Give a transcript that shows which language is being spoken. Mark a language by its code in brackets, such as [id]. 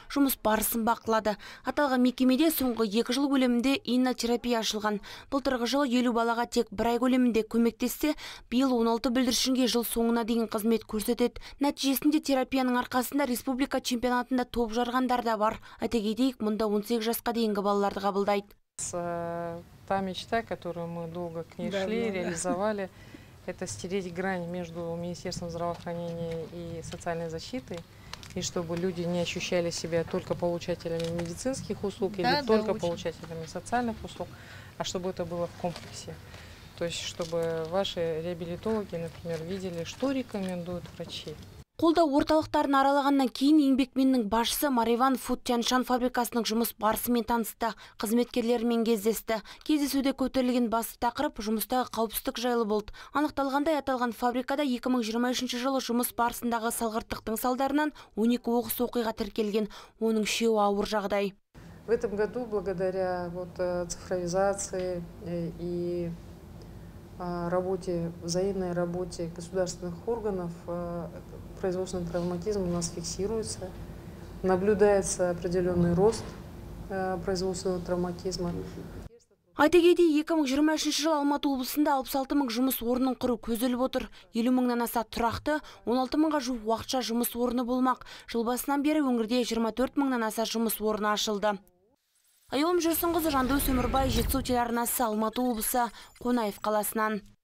[kk] Жұмыс барысын бақылады. Аталған мекемеде соңғы 2 жыл көлемінде иннотерапия ашылған. Былтырғы жылы 50 балаға тек 1 ай көлемінде көмектессе, биыл 16 бүлдіршінге жыл соңына дейін қызмет көрсетеді. Нәтижесінде терапияның арқасында республика чемпионатында топ жарғандар да бар. Айта кетейік, мұнда 18 жасқа дейінгі балаларды қабылдайды. [ru] Та мечта, которую мы долго к ней шли, реализовали. Это стереть грань между Министерством здравоохранения и социальной защиты, и чтобы люди не ощущали себя только получателями медицинских услуг или только получателями социальных услуг, а чтобы это было в комплексе. То есть, чтобы ваши реабилитологи, например, видели, что рекомендуют врачи. [kk] қолдау орталықтарын аралағаннан кейін еңбекменнің башысы Мариван Фуд-Тяншан фабрикасының жұмыс барысымен танысты, қызметкерлерімен кездесті. Кездесуде көтерілген басты тақырып жұмыстағы қауіпсіздік жайлы болды. Анықталғандай, аталған фабрикада 2023 жылы жұмыс барысындағы салғырттықтың салдарынан 12 оқыс оқиға тіркелген, оның үшеуі ауыр жағдай. [ru] В этом году, благодаря вот цифровизации и работе, взаимной работе государственных органов, производственный травматизм у нас фиксируется, наблюдается определенный рост производственного травматизма. [kk] Айта кетейік, 2023 жылы Алматы облысында 66 мың жұмыс орнын құру көзделіп отыр. 50 мыңнан аса тұрақты, 16 мыңға жуық уақытша жұмыс орны болмақ. Жыл басынан бері өңірде 24 мыңнан аса жұмыс орны ашылды. Айылым Жүрсінғызы, Жандос Өмірбай, Жетісу телеарнасы, Алматы облысы, Қонаев қаласынан.